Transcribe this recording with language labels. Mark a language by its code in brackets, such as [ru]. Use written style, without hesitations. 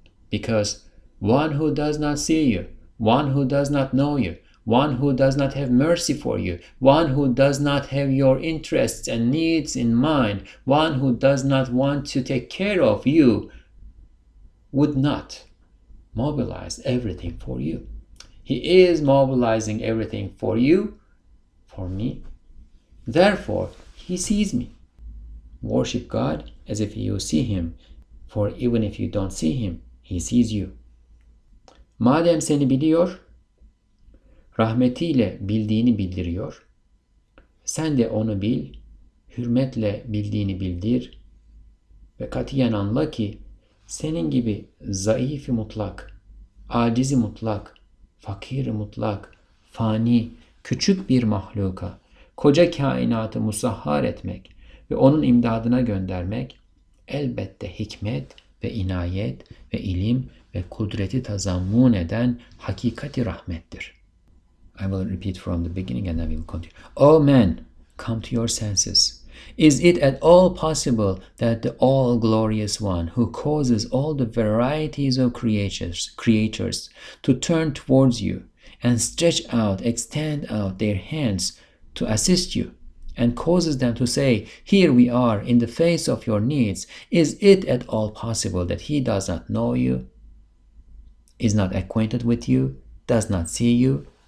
[en] Because one who does not see you, one who does not know you, one who does not have mercy for you, one who does not have your interests and needs in mind, one who does not want to take care of you, would not mobilize everything for you. He is mobilizing everything for you, for me. Therefore, he sees me. Worship God as if you see him, for even if you don't see him, he sees you. [tr] Madem seni biliyor, rahmetiyle bildiğini bildiriyor. Sen de onu bil, hürmetle bildiğini bildir. Ve katiyen anla ki, senin gibi zayıfı mutlak, acizi mutlak, fakiri mutlak, fani, küçük bir mahluka, koca kainatı musahhar etmek ve onun imdadına göndermek, elbette hikmet ve inayet ve ilim ve kudreti tazammun eden hakikati rahmettir. [en] I will repeat from the beginning and then we will continue. O man, come to your senses. Is it at all possible that the all-glorious one who causes all the varieties of creatures to turn towards you and stretch out, extend out their hands to assist you and causes them to say, here we are in the face of your needs, is it at all possible that he does not know you, is not acquainted with you, does not see you?